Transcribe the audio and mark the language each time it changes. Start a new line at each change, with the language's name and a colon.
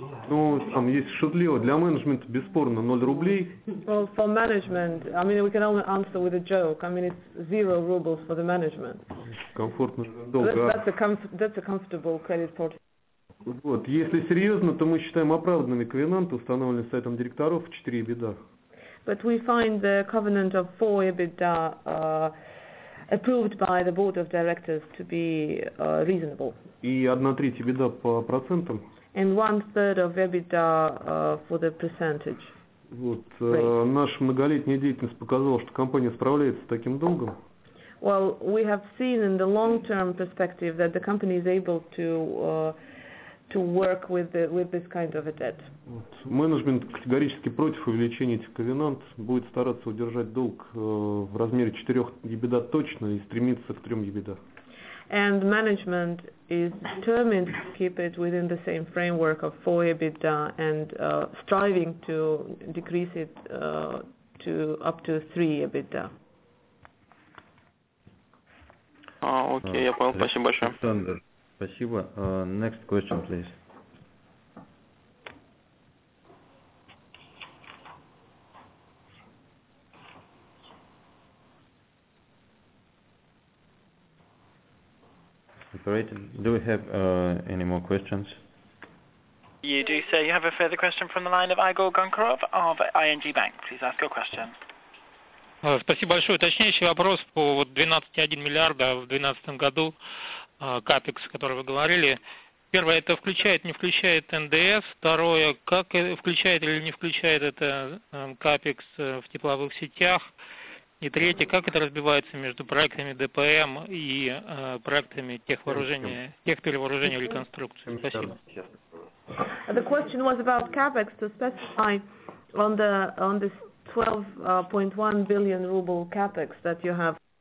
Russian: Ну, там есть шутливо, для менеджмента бесспорно 0 рублей.
English: Well, for management, I mean, we can only answer with a joke. I mean, it's 0 rubles for the management.
Russian: Комфортно долго.
English: That's a comfortable credit portfolio.
Russian: Вот, если серьезно, то мы считаем оправданными ковенанты, установленные сайтом директоров, 4 EBITDA.
English: But we find the covenant of 4 EBITDA approved by the board of directors to be reasonable.
Russian: И 1/3 EBITDA по процентам.
English: And 1/3 of EBITDA for the percentage.
Russian: Вот, наша многолетняя деятельность показала, что компания справляется с таким долгом.
English: Well, we have seen in the long-term perspective that the company is able to work with this kind of a debt.
Russian: Вот. Менеджмент категорически против увеличения этих ковенант, будет стараться удержать долг в размере 4 EBITDA точно и стремиться к 3 EBITDA.
English: And management is determined to keep it within the same framework of 4 EBITDA and striving to decrease it to up to 3 EBITDA.
Russian: Окей, я понял. Спасибо большое.
English: Александр,
Russian: спасибо.
English: Next question, please. Operator, do we have any more questions? You do, sir. You have a further question from the line of Igor Gonkarov of ING Bank. Please ask your question.
Russian: Спасибо большое. Уточняющий вопрос по 12,1 миллиарда в 2012 году CAPEX, о котором вы говорили. Первое, это включает, не включает НДС. Второе, как включает или не включает это CAPEX в тепловых сетях. И третье, как это разбивается между проектами ДПМ и проектами техвооружения, техперевооружения и реконструкции? Спасибо.
English: The question was about CAPEX, to specify on this 12.1 billion ruble CAPEX that you have.